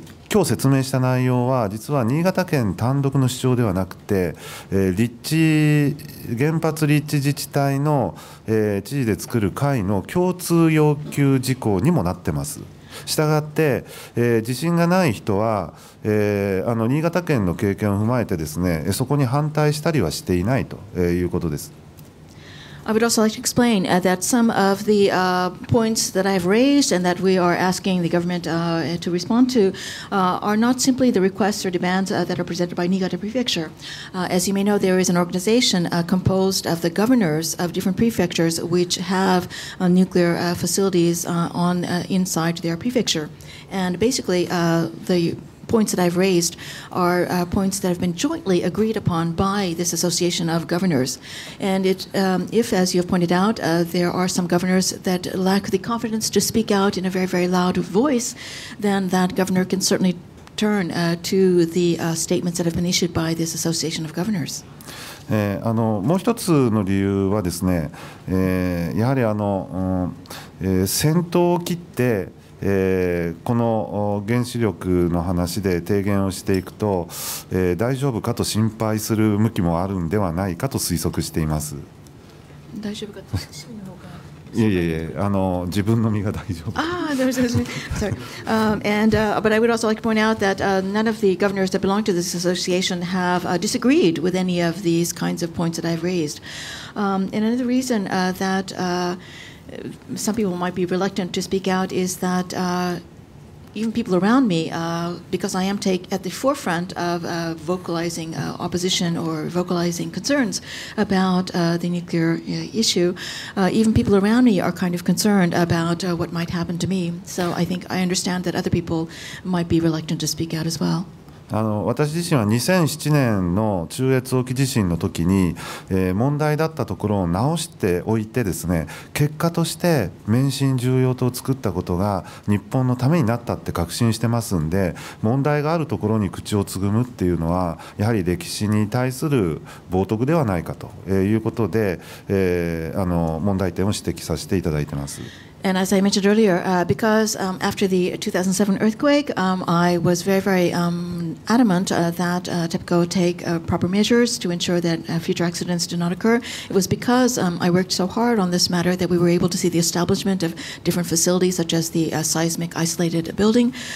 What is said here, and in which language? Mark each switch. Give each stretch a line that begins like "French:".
Japanese: 今日説明した内容は実は新潟県単独の主張ではなくて、立地原発立地自治体の、知事で作る会の共通要求事項にもなってます。したがって、地震がない人は、新潟県の経験を踏まえてですね、そこに反対したりはしていないということです。
English: I would also like to explain that some of the points that I have raised and that we are asking the government to respond to are not simply the requests or demands that are presented by Niigata Prefecture. As you may know, there is an organization composed of the governors of different prefectures which have nuclear facilities on inside their prefecture. And basically, the points that I've raised are points that have been jointly agreed upon by this association of governors. And it, if, as you have pointed out, there are some governors that lack the confidence to speak out in a very, very loud voice, then that governor can certainly turn to the statements that have been issued by this association of governors.
Japanese: もう一つの理由はですね、やはり先頭を切ってこの原子力の話で提言をしていくと、大丈夫かと心配する向きもあるんではないかと推測しています。大丈夫かと心配するのか。自分の身が大丈夫。
English: But I would also like to point out that none of the governors that belong to this association have disagreed with any of these kinds of points that I've raised. And another reason that some people might be reluctant to speak out is that even people around me, because I am at the forefront of vocalizing opposition or vocalizing concerns about the nuclear issue, even people around me are kind of concerned about what might happen to me. So I think I understand that other people might be reluctant to speak out as well.
Japanese: 私自身は2007年の中越沖地震の時に、問題だったところを直しておいてですね、結果として免震重要棟を作ったことが日本のためになったって確信してますんで、問題があるところに口をつぐむっていうのはやはり歴史に対する冒涜ではないかということで、問題点を指摘させていただいてます。
English: And as I mentioned earlier, because after the 2007 earthquake, I was very, very adamant that TEPCO take proper measures to ensure that future accidents do not occur. It was because I worked so hard on this matter that we were able to see the establishment of different facilities, such as the seismic isolated building.